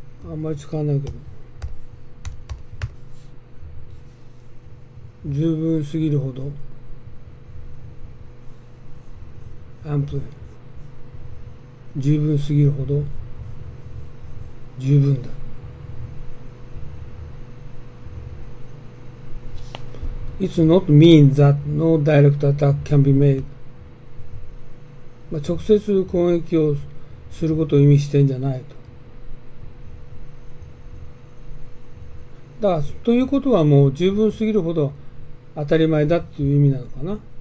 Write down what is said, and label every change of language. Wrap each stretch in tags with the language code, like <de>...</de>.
<ja>あんまり使わないけど、十分すぎるほどアンプル、十分すぎるほど十分だ。</ja> <en>It's not mean that no direct attack can be made。</en> <ja>まあ直接攻撃をすることを意味してんじゃないと。だからということはもう十分すぎるほど当たり前だっていう意味なのかな。</ja>